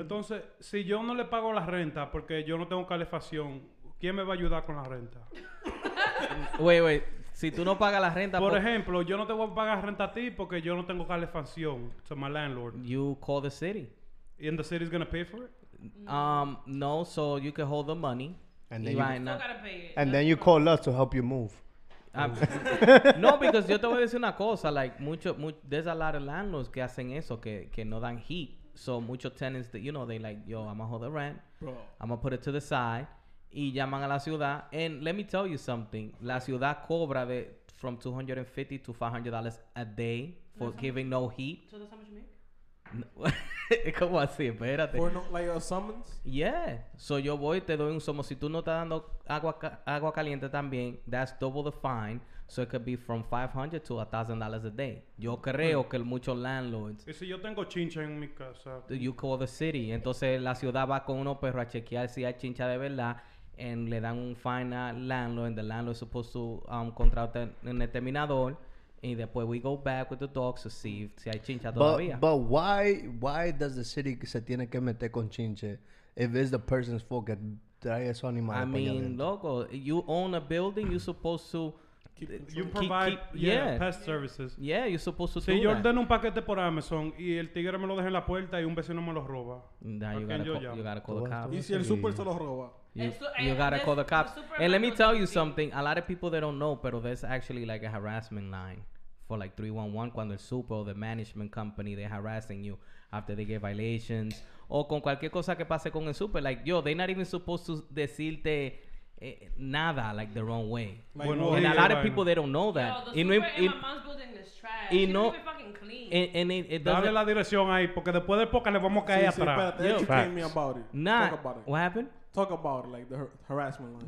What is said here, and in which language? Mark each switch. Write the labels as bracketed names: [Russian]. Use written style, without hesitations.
[Spanish] Entonces, si yo no le pago la renta porque yo no tengo calefacción, ¿quién me va a ayudar con la renta? Wait. Si tú no pagas la renta... Por ejemplo, yo no te voy a pagar renta a ti porque yo no tengo calefacción to my landlord. [English] You call the city. And the city's gonna pay for it? No, so you can hold the money. And then right you now. Gotta pay it. And that's then you call us to help you move. [Spanish] No, because yo te voy a decir una cosa, [English] like, there's a lot of landlords [Spanish] que hacen eso, que no dan heat. [English] So, muchos tenants, that, you know, they like, yo, I'm gonna hold the rent. Bro. I'm gonna put it to the side. [Spanish] Y llaman a la ciudad. [English] And let me tell you something. [Spanish] La ciudad cobra de [English] from $250 to $500 a day for that's giving no heat. So, that's how much you make? [Spanish] ¿Cómo así? Espérate. [English] For no, like a summons? [Spanish] Yeah. So yo voy y te doy un somo. Si tú no estás dando agua caliente también, [English] that's double the fine. So it could be from $500 to $1,000 a day. [Spanish] Yo creo que muchos landlords... Y si yo tengo chincha en mi casa... [English] You call the city. [Spanish] Entonces la ciudad va con unos perros a chequear si hay chincha de verdad. [English] And [Spanish] le dan un fine al landlord. [English] And the landlord is supposed to contract [Spanish] en el terminador. [English] And then we go back with the dogs to see if there's [Spanish] chincha todavía. [English] But why does the city [Spanish] se tiene que meter con chinche [English] if it's the person's fault that [Spanish] trae esos animales? [English] I mean, loco, you own a building, you're supposed to... You provide pest services. Yeah, you're supposed to do that. [Spanish] Si yo ordeno un paquete por Amazon y el tigre me lo deja en la puerta y un vecino me lo roba, [English] you gotta call the cops. [Spanish] Y si el super se lo roba? [English] You gotta call the cops. And let me tell you something. A lot of people, they don't know, pero there's actually like a harassment line for like 311 [Spanish] cuando el super o [English] the management company, they're harassing you after they get violations. [Spanish] O con cualquier cosa que pase con el super. [English] Like, yo, they're not even supposed to decirte... nada, like the wrong way. [Spanish] Bueno, [English] and a lot of people, they don't know that. Yo, the super in my mom's building is trash. [Spanish] Y no, [English] fucking clean. And it [Spanish] dale la dirección ahí, porque después del podcast le vamos a caer atrás. Sí, espérate, [English] yo, educate me about it. Nah, talk about it. What happened? Talk about it, like the harassment line.